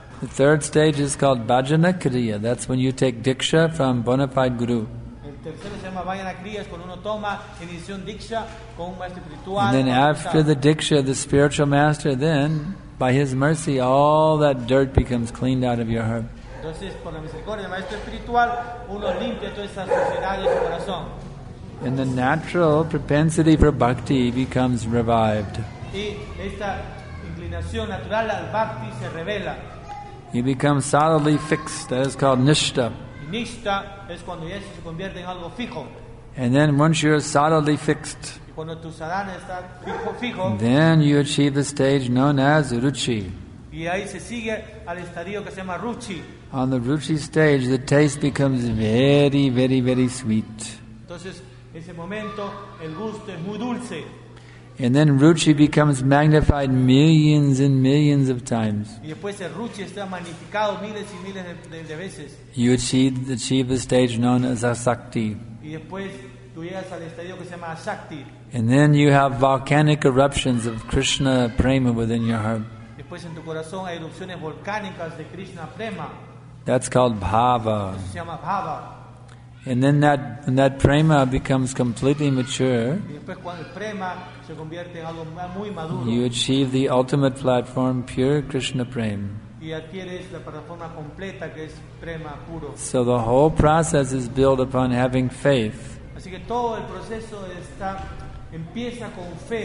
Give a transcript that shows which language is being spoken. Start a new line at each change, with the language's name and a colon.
English: The third stage is called Bhajana Kriya. That's when you take Diksha from bona fide Guru. And then after the Diksha, the spiritual master, then by his mercy, all that dirt becomes cleaned out of your heart.
Spanish: Entonces, por la misericordia del maestro espiritual, uno limpia toda esa suciedad de su corazón.
English: And the natural propensity for bhakti becomes revived.
Spanish: Y esta inclinación natural al bhakti se revela.
English: You become solidly fixed. That is called nishta.
Spanish: Nishta es cuando ya se convierte en algo fijo.
English: And then once you are solidly fixed,
Spanish: y cuando tu sadhana está fijo,
English: then you achieve the stage known as ruchi.
Spanish: Y ahí se sigue al estadio que se llama ruchi.
English: On the ruchi stage, the taste becomes very, very, very sweet.
Spanish: Entonces, ese momento, el gusto es muy dulce.
English: And then ruchi becomes magnified millions and millions of times.
Spanish: Y después el ruchi está magnificado miles y miles de veces.
English: You achieve a stage known as asakti.
Spanish: Y después tú llegas al estadio que se llama asakti.
English: And then you have volcanic eruptions of Krishna prema within your heart.
Spanish: Después en tu corazón hay erupciones volcánicas de Krishna prema.
English: That's called bhava.
Spanish: Se llama bhava.
English: And then that prema becomes completely mature.
Spanish: Y después cuando el prema se convierte en algo muy maduro.
English: You achieve the ultimate platform, pure Krishna prema.
Spanish: Y adquieres la plataforma completa que es prema puro.
English: So the whole process is built upon having faith.
Spanish: Así que todo el proceso está empieza con fe.